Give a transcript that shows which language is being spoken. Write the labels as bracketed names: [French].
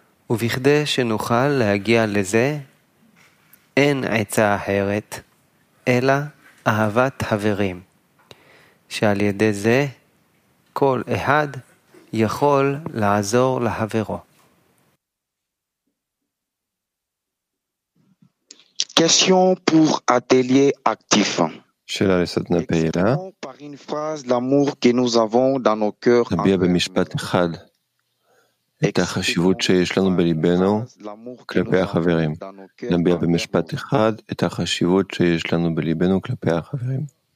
[Hebrew] ובכדי שנוכל להגיע לזה, אין עצה אחרת, אלא אהבת חברים, שעל ידי זה כל אחד יכול לעזור לחברו. [French] Question pour atelier actif. [Hebrew] שאלה לסדנה פעילה. [French] Par une phrase l'amour que nous avons dans nos cœurs. [Hebrew] תביע במשפט אחד את החשיבות שיש לנו בליבנו כלפי החברים. תביע במשפט אחד את החשיבות שיש לנו בליבנו כלפי החברים.